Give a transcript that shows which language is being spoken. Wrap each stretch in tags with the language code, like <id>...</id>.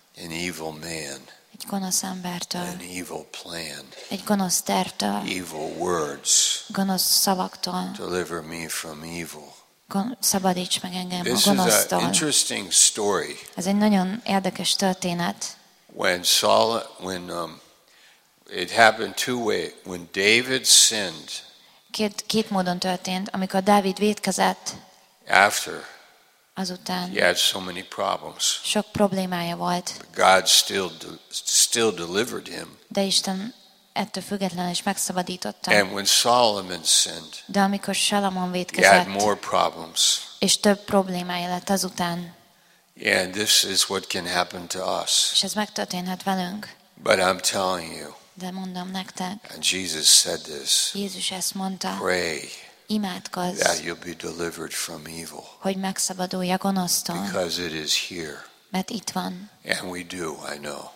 <en>An evil man.</en> <hu>Egy gonosz embertől.</hu> <en>An evil plan.</en> <hu>Egy gonosz tervtől.</hu> <en>Evil words.</en> <hu>Gonosz szavaktól.</hu> <en>Deliver me from evil.</en> <hu>Szabadíts meg engem a gonosztól.</hu> <en>This is an interesting story.</en> <hu>Ez egy nagyon érdekes történet.</hu> <en>When Saul, when it happened two way, when David sinned.</en> <hu>Két módon történt, amikor Dávid vétkezett.</hu> <en>After.</en> <hu>Azután.</hu> <en>He had so many problems.</en> <hu>Sok problémája volt.</hu> <en>God still delivered him.</en> <hu>De Isten ettől függetlenül is megszabadította.</hu> <en>And when Solomon sinned.</en> <hu>De amikor Salamon vétkezett.</hu> <en>He had more problems.</en> <hu>És több problémája lett azután.</hu> <en>And this is what can happen to us.</en> <hu>És ez megtörténhet velünk.</hu> <en>But I'm telling you.</en> <hu>De mondom nektek.</hu> <en>And Jesus said this.</en> <hu>Jézus ezt mondta.</hu> <en>Pray.</en> <hu>Imádkozz,</hu> <en>that you'll be delivered from evil.</en> <hu>Hogy megszabadulj a gonosztól.</hu> <en>Because it is here.</en> <hu>Mert itt van.</hu> <en>And we do, I know.</en>